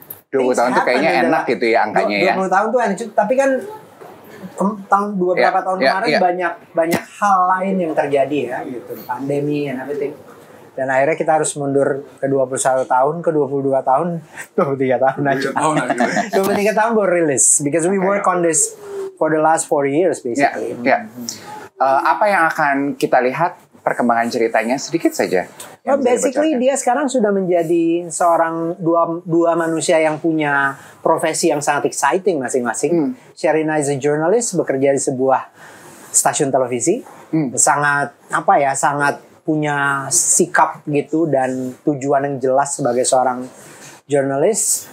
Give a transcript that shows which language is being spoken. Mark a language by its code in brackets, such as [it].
[id] 20 tahun tuh kayaknya enak gitu ya angkanya 20 ya. 20 tahun tuh enak, tapi kan beberapa tahun kemarin banyak hal lain yang terjadi ya gitu, pandemi [en] and everything. [id] Dan akhirnya kita harus mundur ke 21 tahun, ke 22 tahun, 23 tahun aja. 23 tahun baru rilis. [en] Because we work on this for the last 4 years basically. [id] Apa yang akan kita lihat perkembangan ceritanya sedikit saja? Basically dia sekarang sudah menjadi seorang dua manusia yang punya profesi yang sangat exciting masing-masing. [en] Sherina is a journalist, [id] bekerja di sebuah stasiun televisi. Sangat punya sikap gitu dan tujuan yang jelas sebagai seorang jurnalis.